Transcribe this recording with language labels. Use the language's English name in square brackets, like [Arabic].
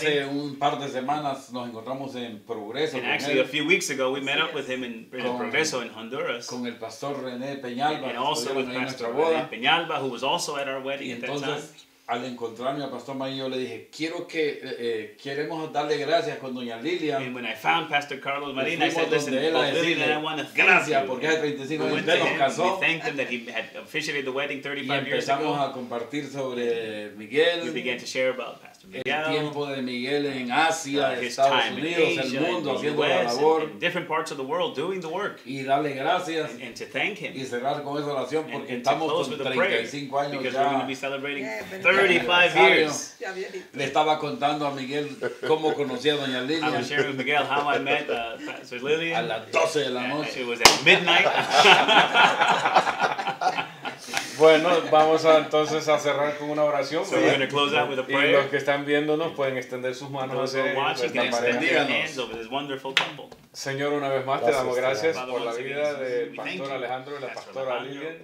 [Spanish] Que hace un par de semanas nos encontramos en Progreso. [English] And actually, a few weeks ago, we met up with him in Progreso in Honduras. [Spanish] Con el pastor René Peñalba. [English] And also with Pastor René Peñalba, who was also at our wedding at that time. [Spanish] Al encontrarme a Pastor Marín, yo le dije, queremos darle gracias con Doña Lilian. [English] And when I found Pastor Carlos Marín, I said, listen, Lilian, I want to thank [Spanish] gracias [English] you. [Spanish] Porque hace 35 años nos casó. [English] We thanked him that he had officiated the wedding 35 years ago. [Spanish] Y empezamos a compartir sobre Miguel. [English] We began to share about Pastor Miguel. [Spanish] El tiempo de Miguel en Asia, Estados Unidos, Asia, el mundo, [English] in [Spanish] haciendo la labor. [English] In different parts of the world doing the work. [Spanish] Y darle gracias. [English] And to thank him. [Spanish] Y cerrar con esa oración porque estamos con 35 años [English] because [Spanish] ya. [English] Because we're going to be celebrating 35 years. [Spanish] Le estaba contando a Miguel cómo conocí a Doña Lilian. [English] I was sharing with Miguel how I met Sir Lilian. [Spanish] A las 12 de la noche. [English] It was at midnight. [Spanish] Bueno, vamos a, entonces a cerrar con una oración. [English] So we're going to close out with a prayer. [Spanish] Y los que están viéndonos pueden extender sus manos. [English] Those who are watching can extend their hands over this wonderful couple. [Spanish] Señor, una vez más te damos gracias por la vida del pastor Alejandro y la pastora Lilian.